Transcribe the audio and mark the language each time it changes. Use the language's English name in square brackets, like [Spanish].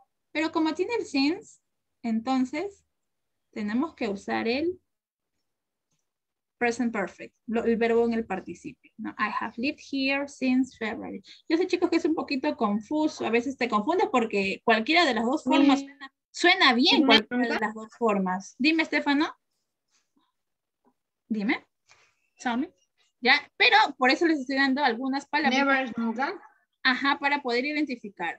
[Spanish] Pero como tiene el since, entonces tenemos que usar el present perfect, el verbo en el participio. ¿No? [English] I have lived here since February. [Spanish] Yo sé, chicos, que es un poquito confuso. A veces te confundes porque cualquiera de las dos formas suena bien. Cualquiera de las dos formas. Dime, Estefano. Dime. [English] Tell me. [Spanish] ¿Ya? Pero por eso les estoy dando algunas palabras. Never, nunca. Ajá, para poder identificar.